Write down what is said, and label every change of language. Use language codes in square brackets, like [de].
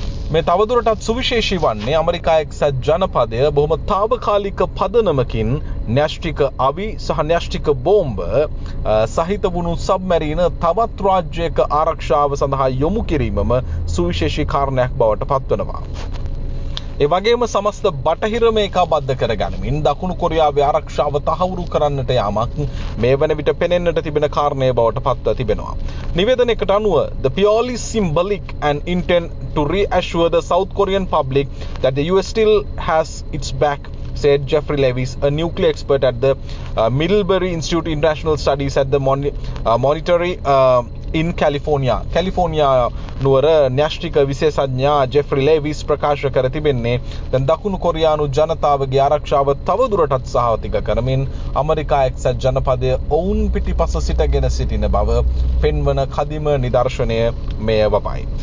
[si] මේ තවදුරටත් සුවිශේෂී වන්නේ ඇමරිකා එක්සත් ජනපදය බොහොම තාවකාලික පදනමකින් න්‍යෂ්ටික අවි සහ න්‍යෂ්ටික බෝම්බ සහිත වුණු සබ්මැරීන තවත් රාජ්‍යයක ආරක්ෂාව සඳහා යොමු කිරීමම සුවිශේෂී කාරණයක් බවට පත්වනවා. ඒ වගේම සමස්ත බටහිරම ඒකාබද්ධ කරගනිමින් දකුණු කොරියාවේ ආරක්ෂාව තහවුරු කරන්නට යාමක් මේ වන විට පෙනෙන්නට තිබෙන කාරණයේ බවට පත්ව තිබෙනවා. නිවේදනයකට අනුව [en] the purely symbolic and intent to reassure the South Korean public that the US still has its back, said Jeffrey Levis, a nuclear expert at the Middlebury Institute International Studies at the Monetary in California. [si] California නුවර න්‍යෂ්ටික විශේෂඥා Geoffrey ලේවිස් ප්‍රකාශ කර තිබෙන්නේ දැන් දකුණු කොරියානු ජනතාවගේ ආරක්ෂාව තවදුරටත් සහතික කරමින් ඇමරිකා එක්සත් ජනපදය ඔවුන් පිටිපස සිටගෙන සිටින බව පෙන්වන කදිම නිදර්ශනය මෙය වපයි.